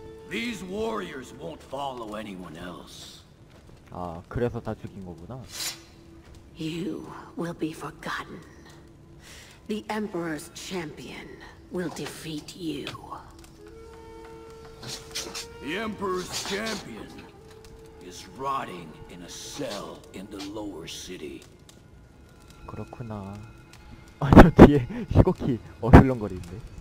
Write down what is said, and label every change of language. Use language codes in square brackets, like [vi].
[en] These warriors won't follow anyone else. [ko] 아, 그래서 다 죽인 거구나. [en] You will be forgotten. The Emperor's champion will defeat you. The Emperor's champion. Is rotting in a cell in the lower city. [ko] 그렇구나. 아, 저 뒤에 희곡히 어슬렁거리는데.